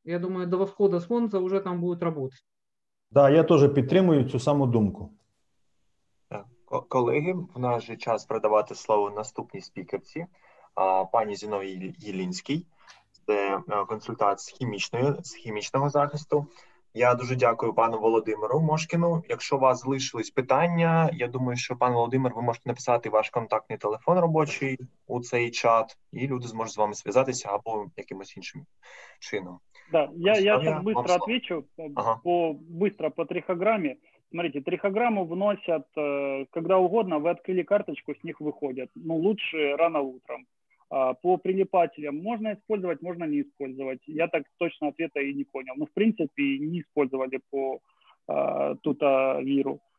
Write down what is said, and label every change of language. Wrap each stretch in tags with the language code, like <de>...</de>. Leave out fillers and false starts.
<ru>Я думаю, до восхода солнца уже там будет работать. Да, я тоже</ru> <uk>підтримую цю саму думку. Колеги, в нас же час передавати слово наступній спікерці, пані Зіновій Єлінській, це консультант з хімічного захисту. Я дуже дякую пану Володимиру Мошкіну. Якщо у вас залишились питання, я думаю, що пан Володимир, ви можете написати ваш контактний телефон робочий у цей чат, і люди зможуть з вами зв'язатися або якимось іншим чином.</uk> <ru>Да, я так быстро отвечу, ага. Быстро по трихограмі. Смотрите, трихограмму вносят когда угодно, вы открыли карточку, с них выходят. Но лучше рано утром. По прилипателям можно использовать, можно не использовать. Я так точно ответа и не понял. Но в принципе не использовали по тутовиру.</ru>